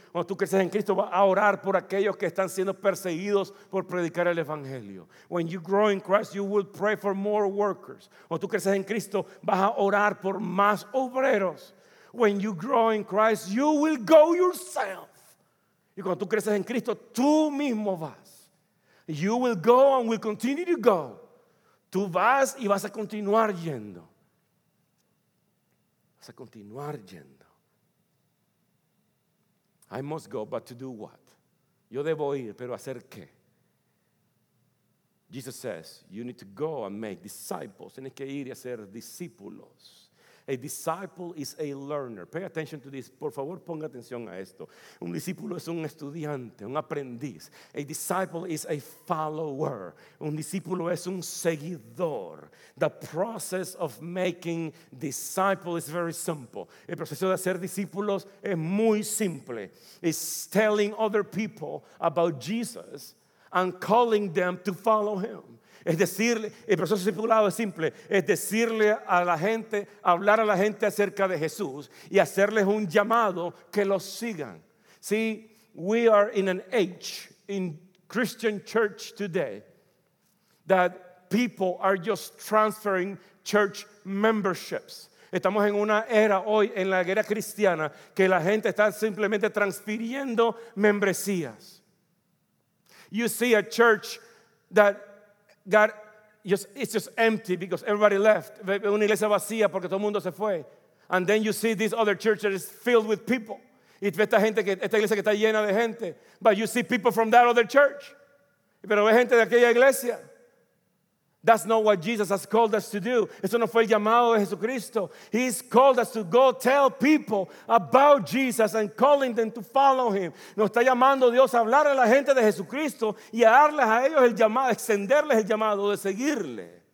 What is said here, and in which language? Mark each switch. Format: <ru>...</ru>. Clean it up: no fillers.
<es>Cuando tú creces en Cristo, vas a orar por aquellos que están siendo perseguidos por predicar el Evangelio.</es> <en>When you grow in Christ, you will pray for more workers.</en> <es>Cuando tú creces en Cristo, vas a orar por más obreros.</es> <en>When you grow in Christ, you will go yourself.</en> <es>Y cuando tú creces en Cristo, tú mismo vas.</es> <en>You will go and will continue to go.</en> <es>Tú vas y vas a continuar yendo. Vas a continuar yendo.</es> <en>I must go, but to do what?</en> <es>Yo debo ir, pero ¿hacer qué?</es> <en>Jesus says, you need to go and make disciples.</en> <es>Tienes que ir y hacer discípulos.</es> <en>A disciple is a learner. Pay attention to this.</en> <es>Por favor, ponga atención a esto. Un discípulo es un estudiante, un aprendiz.</es> <en>A disciple is a follower.</en> <es>Un discípulo es un seguidor.</es> <en>The process of making disciples is very simple.</en> <es>El proceso de hacer discípulos es muy simple.</es> <en>It's telling other people about Jesus and calling them to follow him.</en> <es>Es decirle, el proceso discipulado es simple, es decirle a la gente, hablar a la gente acerca de Jesús y hacerles un llamado que los sigan.</es> <en>See, we are in an age in Christian church today that people are just transferring church memberships.</en> <es>Estamos en una era hoy, en la era cristiana, que la gente está simplemente transfiriendo membresías.</es> <en>You see a church that got just, it's just empty because everybody left.</en> <es>Una iglesia vacía porque todo el mundo se fue.</es> <en>And then you see this other church that is filled with people.</en> <es>Y ve esta gente, esta iglesia que está llena de gente.</es> <en>But you see people from that other church.</en> <es>Pero ve gente de aquella iglesia.</es> <en>That's not what Jesus has called us to do.</en> <es>Eso no fue el llamado de Jesucristo.</es> <en>He's called us to go tell people about Jesus and calling them to follow him.</en> <es>Nos está llamando Dios a hablar a la gente de Jesucristo y a darles a ellos el llamado, extenderles el llamado de seguirle.</es>